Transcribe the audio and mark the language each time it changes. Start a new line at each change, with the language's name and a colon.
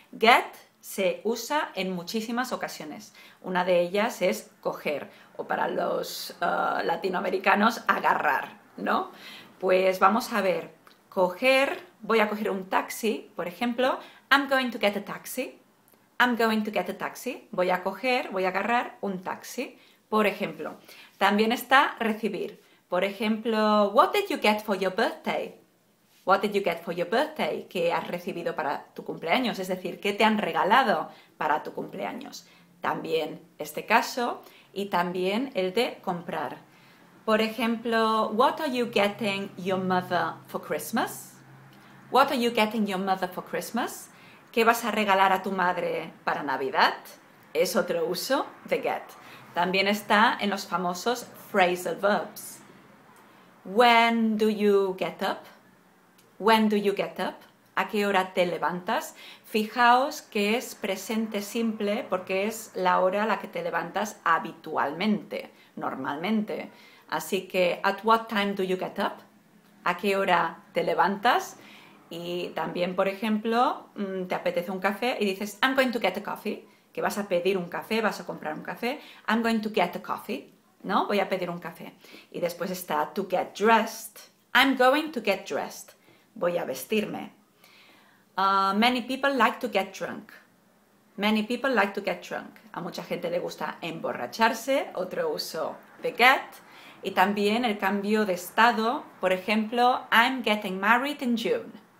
Spanish: Get se usa en muchísimas ocasiones. Una de ellas es coger, o para los latinoamericanos, agarrar, ¿no? Pues vamos a ver. Coger, voy a coger un taxi, por ejemplo.
English: I'm going to get a taxi. I'm going to get a taxi.
Spanish: Voy a coger, voy a agarrar un taxi, por ejemplo. También está recibir. Por ejemplo,
English: what did you get for your birthday? What did you get for your birthday?
Spanish: ¿Qué has recibido para tu cumpleaños? Es decir, ¿qué te han regalado para tu cumpleaños? También este caso y también el de comprar. Por ejemplo,
English: what are you getting your mother for Christmas? What are you getting your mother for Christmas?
Spanish: ¿Qué vas a regalar a tu madre para Navidad? Es otro uso de get. También está en los famosos phrasal verbs.
English: When do you get up? When do you get up?
Spanish: ¿A qué hora te levantas? Fijaos que es presente simple porque es la hora a la que te levantas habitualmente, normalmente. Así que,
English: at what time do you get up?
Spanish: ¿A qué hora te levantas? Y también, por ejemplo, te apetece un café y dices,
English: I'm going to get a coffee,
Spanish: que vas a pedir un café, vas a comprar un café.
English: I'm going to get a coffee,
Spanish: ¿no? Voy a pedir un café. Y después está to get dressed.
English: I'm going to get dressed.
Spanish: Voy a vestirme.
English: Many people like to get drunk. Many people like to get drunk.
Spanish: A mucha gente le gusta emborracharse, otro uso de get. Y también el cambio de estado, por ejemplo,
English: I'm getting married in June.